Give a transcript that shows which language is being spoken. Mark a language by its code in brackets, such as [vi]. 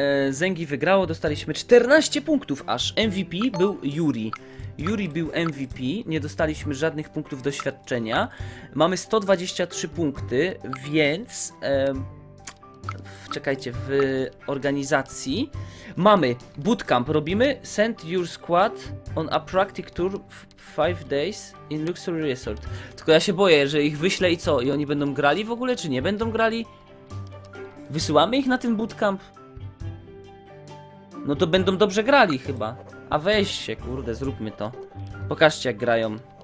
[pl] Zengi wygrało, dostaliśmy 14 punktów aż. MVP był Yuri. Yuri był MVP, nie dostaliśmy żadnych punktów doświadczenia. Mamy 123 punkty, więc... czekajcie, w organizacji. Mamy bootcamp, robimy. [en] Send your squad on a practice tour for 5 days in luxury resort. [pl] Tylko ja się boję, że ich wyślę i co? I oni będą grali w ogóle, czy nie będą grali? Wysyłamy ich na ten bootcamp? No to będą dobrze grali chyba. A weź się, kurde, zróbmy to. Pokażcie, jak grają.